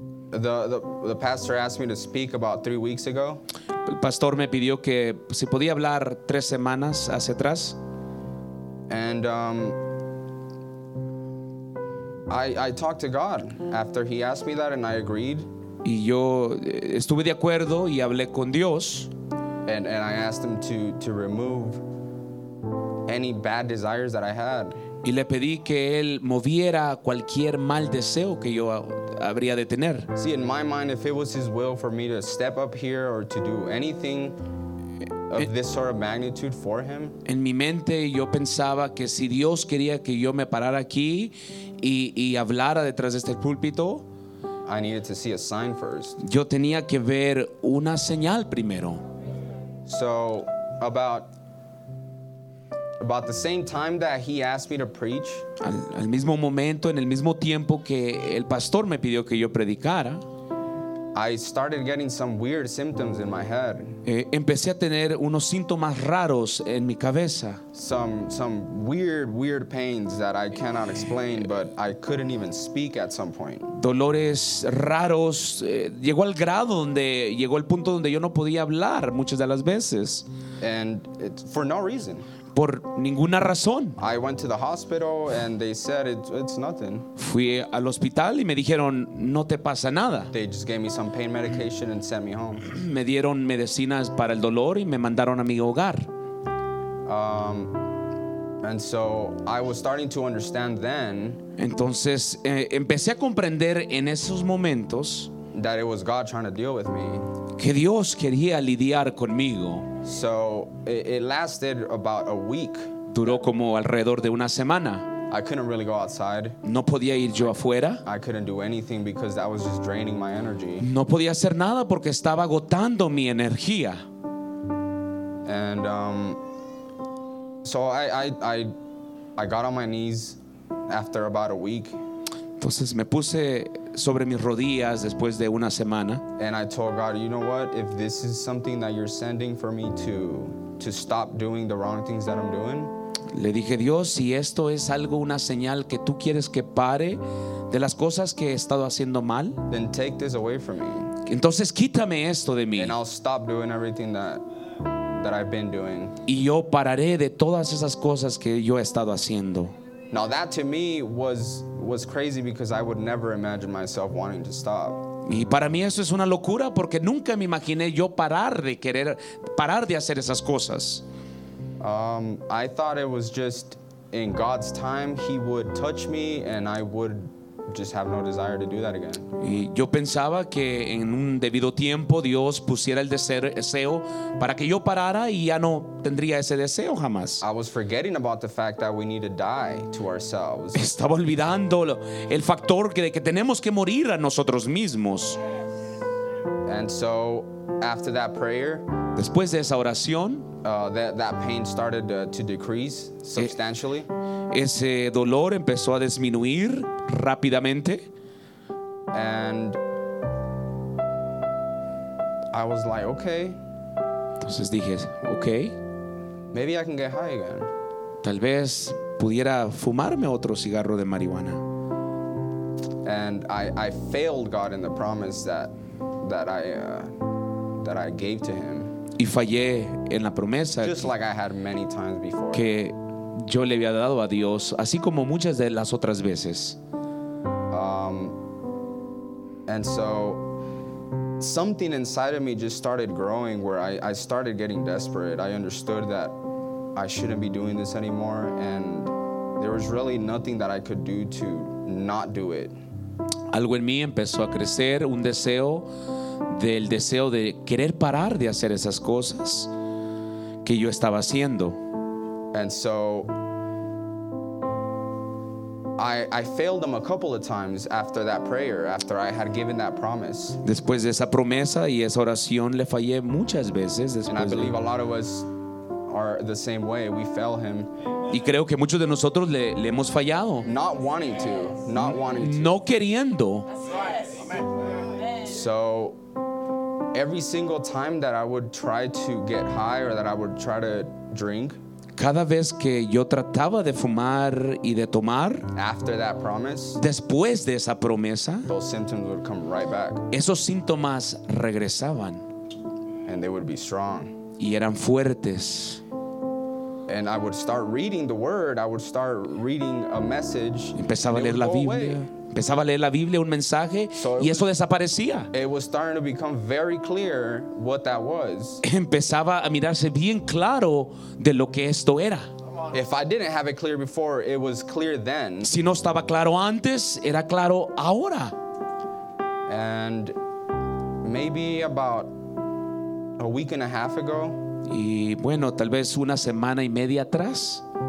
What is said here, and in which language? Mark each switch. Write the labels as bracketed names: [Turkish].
[English] The pastor asked me to speak about 3 weeks ago. [Spanish] El pastor me pidió que si podía hablar tres semanas hacia atrás. [English] And I talked to God after he asked me that, and I agreed. [Spanish] Y yo estuve de acuerdo y hablé con Dios. [English] And I asked him to remove any bad desires that I had. [Spanish] Y le pedí que él moviera cualquier mal deseo que yo habría de tener. [English] See, in my mind, if it was his will for me to step up here or to do anything of this sort of magnitude for him. [Spanish] En mi mente yo pensaba que si Dios quería que yo me parara aquí y hablara detrás de este púlpito, [English] I needed to see a sign first. [Spanish] Yo tenía que ver una señal primero. [English] So about the same time that he asked me to preach, [Spanish] al mismo momento, en el mismo tiempo que el pastor me pidió que yo predicara, [English] I started getting some weird symptoms in my head. [Spanish] Empecé a tener unos síntomas raros en mi cabeza. [English] Some weird pains that I cannot explain, but I couldn't even speak at some point. [Spanish] Dolores raros, llegó al grado donde llegó el punto donde yo no podía hablar muchas de las veces. [English] And it's for no reason. [Spanish] Por ninguna razón. [English] I went to the hospital and they said it's nothing. [Spanish] Fui al hospital y me dijeron no te pasa nada. [English] They just gave me some pain medication and sent me home. [Spanish] Me dieron medicinas para el dolor y me mandaron a mi hogar. [English] And so I was starting to understand then. [Spanish] Entonces empecé a comprender en esos momentos [English] that it was God trying to deal with me. [Spanish] Que Dios quería lidiar conmigo. [English] So it lasted about a week. [Spanish] Duró como alrededor de una semana. [English] I couldn't really go outside. [Spanish] No podía ir yo afuera. [English] I couldn't do anything because that was just draining my energy. [Spanish] No podía hacer nada porque estaba agotando mi energía. [English] And so I got on my knees after about a week. [Spanish] Entonces me puse sobre mis rodillas después de una semana. [English] And I told God, you know what? If this is something that you're sending for me to stop doing the wrong things that I'm doing. [Spanish] Le dije, Dios, si esto es algo, una señal que tú quieres que pare de las cosas que he estado haciendo mal. [English] Then take this away from me. [Spanish] Entonces quítame esto de mí. [English] And I'll stop doing everything that I've been doing. [Spanish] Y yo pararé de todas esas cosas que yo he estado haciendo. [English] Now that to me was crazy because I would never imagine myself wanting to stop. [Spanish] Y para mí eso es una locura porque nunca me imaginé yo parar de hacer esas cosas. [English] I thought it was just in God's time he would touch me and I would just have no desire to do that again. [Spanish] Y yo pensaba que en un debido tiempo Dios pusiera el deseo para que yo parara y ya no tendría ese deseo jamás. [English] I was forgetting about the fact that we need to die to ourselves. [Spanish] Estaba olvidando el factor de que tenemos que morir a nosotros mismos. [English] And so after that prayer, [Spanish] después de esa oración, [English] that pain started to decrease substantially. [Spanish] Ese dolor empezó a disminuir rápidamente. [English] And I was like, okay. [Spanish] Entonces dije, okay. [English] Maybe I can get high again. [Spanish] Tal vez pudiera fumarme otro cigarro de marihuana. [English] And I failed God in the promise that I gave to him. [Spanish] Y fallé en la promesa [English] just like I had many times before. [Spanish] Que yo le había dado a Dios, así como muchas de las otras veces. [English] And so something inside of me just started growing where I started getting desperate. I understood that I shouldn't be doing this anymore, and there was really nothing that I could do to not do it. [Spanish] Algo en mí empezó a crecer, un deseo del deseo de querer parar de hacer esas cosas que yo estaba haciendo. [English] And so I failed them a couple of times after that prayer, after I had given that promise. [Spanish] Después de esa promesa y esa oración le fallé muchas veces. [English] And I believe a lot of us are the same way. We fail him. [Spanish] Y creo que muchos de nosotros le hemos fallado. [English] Not wanting to. Not wanting to. [Spanish] No queriendo. [English] So every single time that I would try to get high or that I would try to drink, [Spanish] cada vez que yo trataba de fumar y de tomar, [English] after that promise, [Spanish] después de esa promesa, [English] those symptoms would come right back. [Spanish] Esos síntomas regresaban. [English] And they would be strong. [Spanish] Y eran fuertes. [English] And I would start reading the word, I would start reading a message. [Spanish] Empezaba a leer la Biblia. Empezaba a leer la Biblia, un mensaje, so y eso desaparecía. [English] It was starting to become very clear what that was. [Spanish] Empezaba a mirarse bien claro de lo que esto era. [English] If I didn't have it clear before, it was clear then. [Spanish] Si no estaba claro antes, era claro ahora. [English] And maybe about a week and a half ago, [Spanish] y bueno, tal vez una semana y media atrás,